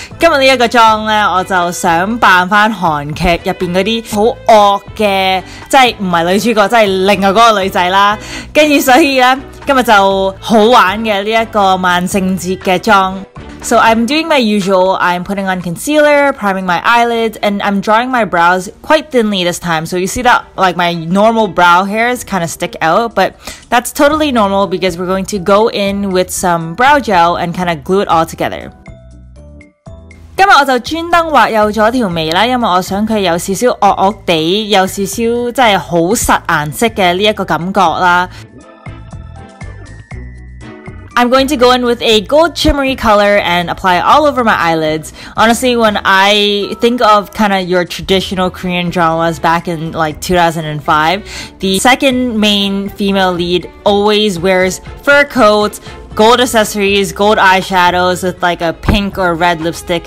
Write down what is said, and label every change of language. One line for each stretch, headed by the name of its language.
Cantonese: 今日呢一个妆呢，我就想扮翻韩剧入边嗰啲好恶嘅，即系唔系女主角，即系另外嗰个女仔啦。跟住所以咧，今日就好玩嘅呢一个万圣节嘅妆。
English: So I'm doing my usual, I'm putting on concealer, priming my eyelids, and I'm drawing my brows quite thinly this time. So you see that like my normal brow hairs kind of stick out, but that's totally normal because we're going to go in with some brow gel and kind of glue it all together.
Cantonese: 今天我就专登画幼了条眉，因为我想它有一点恶恶地，有一点真的很实颜色的这个感觉。
English: I'm going to go in with a gold shimmery color and apply it all over my eyelids. Honestly, when I think of kind of your traditional Korean dramas back in like 2005, the second main female lead always wears fur coats, gold accessories, gold eyeshadows with like a pink or red lipstick.